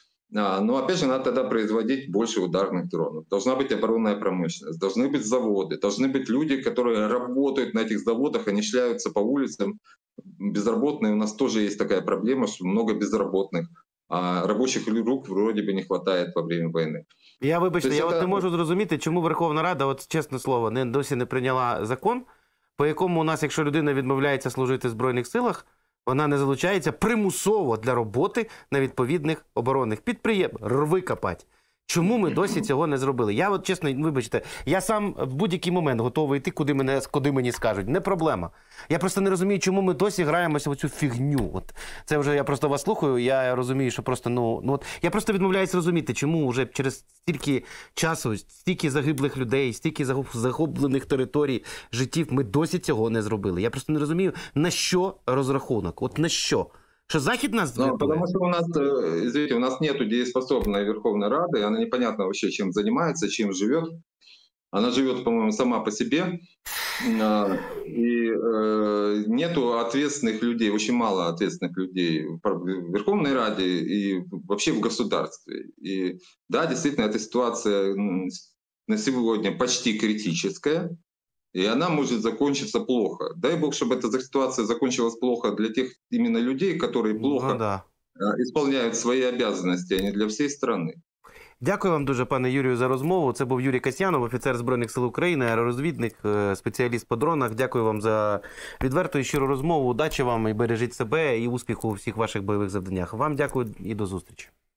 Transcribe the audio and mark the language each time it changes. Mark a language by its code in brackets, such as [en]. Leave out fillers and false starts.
[ru] Но, опять же, надо тогда производить больше ударных дронов. Должна быть оборонная промышленность, должны быть заводы, должны быть люди, которые работают на этих заводах, они шляются по улицам. Безработные, у нас тоже есть такая проблема, что много безработных. А рабочих рук вроде бы не хватает во время войны. [uk] Я вибачте, я не можу зрозуміти, чому Верховна Рада, от чесне слово, досі не прийняла закон, по якому у нас, якщо людина відмовляється служити в Збройних силах, вона не залучається примусово для роботи на відповідних оборонних підприємств. Рви копати. Чому ми досі цього не зробили? Я от чесно, вибачте, я сам в будь-який момент готовий йти, куди мені скажуть. Не проблема. Я просто не розумію, чому ми досі граємося в цю фігню. От це вже я просто вас слухаю. Я розумію, що просто от я просто відмовляюсь розуміти, чому вже через стільки часу, стільки загиблих людей, стільки загублених територій, життів, ми досі цього не зробили. Я просто не розумію, на що розрахунок? От на що? [ru] Что [uk] Захід нас... [ru] Потому что у нас нет дееспособной Верховной Рады, она непонятно вообще, чем занимается, чем живет. Она живет, по-моему, сама по себе. И нету ответственных людей, очень мало ответственных людей в Верховной Раде и вообще в государстве. И да, действительно, эта ситуация на сегодня почти критическая. И она может закончиться плохо. Дай бог, чтобы эта ситуация закончилась плохо для тех именно людей, которые плохо исполняют свои обязанности, а не для всей страны. [uk] Дякую вам дуже, пане Юрію, за розмову. Це був Юрій Касьянов, офіцер Збройних сил України, аеророзвідник, спеціаліст по дронах. Дякую вам за відверту і щиру розмову. Удачі вам і бережіть себе, і успіху у всіх ваших бойових завданнях. Вам дякую і до зустрічі.